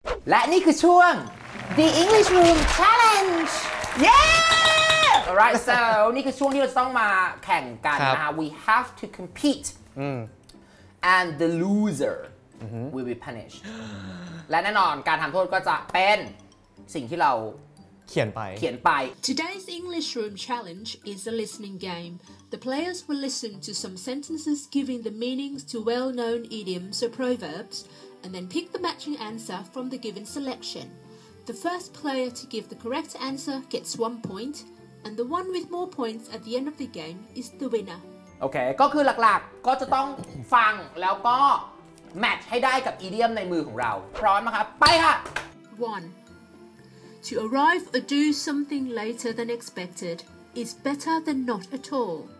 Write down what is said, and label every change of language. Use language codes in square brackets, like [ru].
[th] และนี่คือช่วง [en] The English Room Challenge Yeah Alright so [th] นี่คือช่วงที่เราต้องมาแข่งกันนะ [en] We have to compete and the loser will be punished [th] และแน่นอนการทำโทษก็จะเป็นสิ่งที่เรา เขียนไป เขียนไป [en] Today's English Room Challenge is a listening game. The players will listen to some sentences giving the meanings to well-known idioms or proverbs, and then pick the matching answer from the given selection. The first player to give the correct answer gets 1 point, and the one with more points at the end of the game is the winner. [th] Okay, ก็คือหลักๆก็จะต้องฟังแล้วก็แมทช์ให้ได้กับอีเดียมในมือของเราพร้อมมั้ยครับไปค่ะ [en] 1To arrive or do something later than expected is better than not at all.